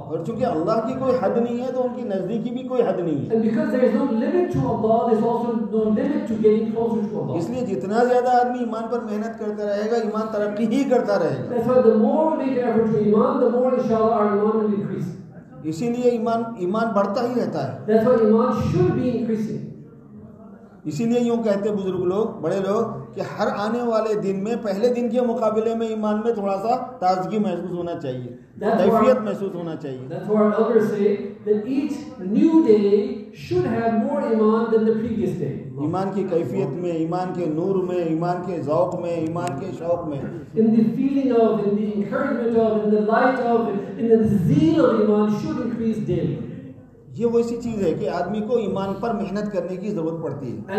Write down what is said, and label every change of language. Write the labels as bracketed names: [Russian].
[Urdu] اور چونکہ اللہ کی کوئی حد نہیں ہے تو ان کی نزدیکی بھی کوئی حد نہیں ہے. [English] And because there is no limit to Allah, there's also no limit to getting closer to Allah. [Urdu] اس لیے جتنا زیادہ آدمی ایمان پر محنت کرتا رہے گا ایمان ترقی ہی کرتا رہے گا. [English] That's why the more we make effort to iman, the more inshallah our iman will increase. [Urdu] اسی لیے ایمان بڑھتا ہی رہتا ہے. [English] That's why iman should be increasing. [Urdu] اسی لیے یوں کہتے ہیں بزرگ لوگ بڑے لوگ کہ ہر آنے والے دن میں پہلے دن کے مقابلے میں ایمان میں تھوڑا سا تازگی محسوس ہونا چاہیے, کیفیت محسوس ہونا چاہیے. [English] That's what our elders say, that each new day should have more iman than the previous day. [Urdu] ایمان کی کیفیت میں, ایمان کے نور میں, ایمان کے ذوق میں, ایمان کے شوق میں. [English] In the feeling of, in the encouragement of, in the light of, in the zeal of iman should increase daily. [Urdu] یہ وہ ایسی چیز ہے کہ آدمی کو ایمان پر محنت کرنے کی ضرورت پڑتی ہے.